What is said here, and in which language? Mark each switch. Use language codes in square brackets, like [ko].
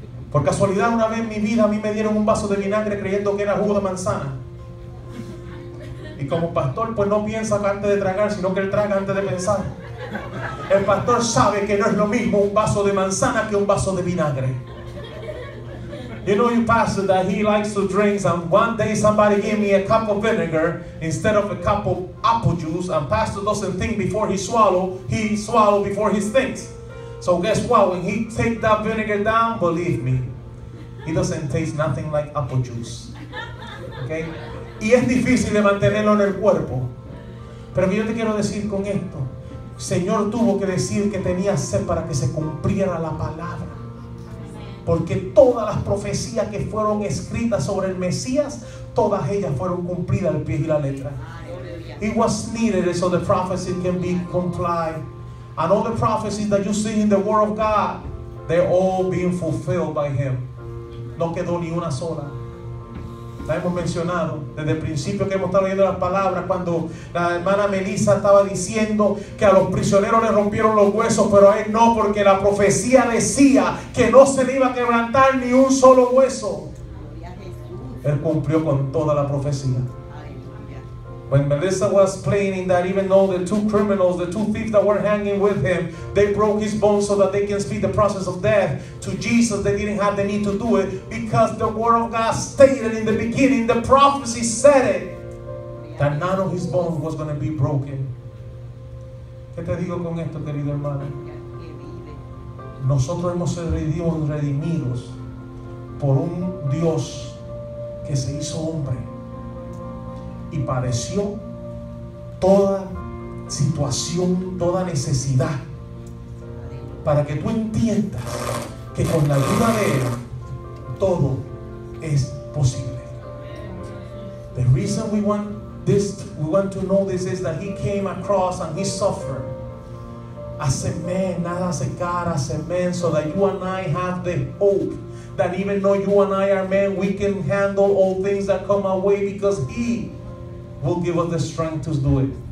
[es] Por casualidad, una vez en mi vida, a mí me dieron un vaso de vinagre creyendo que era jugo de manzana. Y como pastor, pues no piensa antes de tragar, sino que él traga antes de pensar. El pastor sabe que no es lo mismo un vaso de manzana que un vaso de vinagre. [en] You know, your pastor that he likes to drink, and one day somebody gave me a cup of vinegar instead of a cup of apple juice, and pastor doesn't think before he swallow before he thinks. So guess what? When he take that vinegar down, believe me, he doesn't taste nothing like apple juice. Okay? [es] Y es difícil de mantenerlo en el cuerpo. Pero yo te quiero decir con esto, Señor tuvo que decir que tenía sed para que se cumpliera la palabra. Porque todas las profecías que fueron escritas sobre el Mesías, todas ellas fueron cumplidas al pie de la letra. [en] It was needed so the prophecy can be complied. And all the prophecies that you see in the Word of God, they're all being fulfilled by Him. [es] No quedó ni una sola. La hemos mencionado desde el principio que hemos estado leyendo las palabras, cuando la hermana Melissa estaba diciendo que a los prisioneros le rompieron los huesos, pero a él no, porque la profecía decía que no se le iba a quebrantar ni un solo hueso. Él cumplió con toda la profecía. [en] When Melissa was explaining that even though the two criminals, the two thieves that were hanging with him, they broke his bones so that they can speed the process of death to Jesus, they didn't have the need to do it because the word of God stated in the beginning, the prophecy said it, that none of his bones was going to be broken. [es] ¿Qué te digo con esto, querido hermano? Nosotros hemos sido redimidos por un Dios que se hizo hombre y padeció toda situación, toda necesidad, para que tú entiendas que con la ayuda de Él todo es posible. [en] The reason we want to know this is that He came across and He suffered as a man, not as a God, as a man, so that you and I have the hope that even though you and I are men, we can handle all things that come our way, because He will give us the strength to do it.